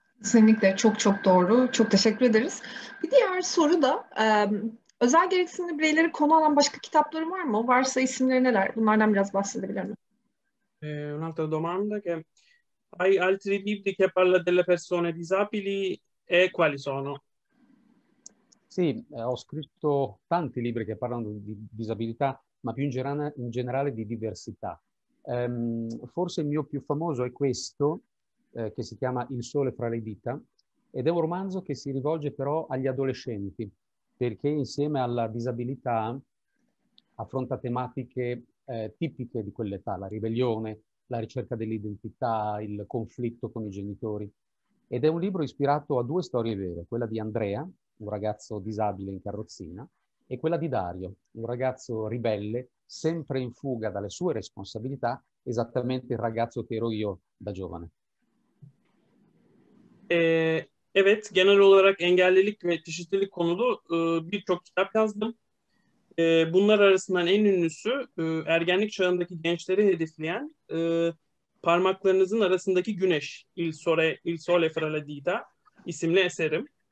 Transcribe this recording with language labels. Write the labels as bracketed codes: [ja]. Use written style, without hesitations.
[tr] Kesinlikle çok çok doğru. Çok teşekkür ederiz. Bir diğer soru da özel gereksinimli bireyleri konu alan başka kitapları var mı? Varsa isimleri neler? Bunlardan biraz bahsedebilir mi? [it] Un'altra domanda che hai altri libri che parla delle persone disabili e quali sono? Sì, ho scritto tanti libri che parlano di disabilità, ma più in generale di diversità. Forse il mio più famoso è questo, che si chiama Il sole fra le dita, ed è un romanzo che si rivolge però agli adolescenti, perché insieme alla disabilità affronta tematiche tipiche di quell'età, la ribellione, la ricerca dell'identità, il conflitto con i genitori. Ed è un libro ispirato a due storie vere, quella di Andrea, un ragazzo disabile in carrozzina, e quella di Dario, un ragazzo ribelle, sempre in fuga dalle sue responsabilità, esattamente il ragazzo che ero io da giovane. [tr] Evet, genel olarak engellilik ve çeşitlilik konulu birçok kitap yazdım. Bunlar arasından en ünlüsü ergenlik çağındaki gençleri hedefleyen Parmaklarınızın Arasındaki Güneş, Il Sole Fra le Dita isimli eserim.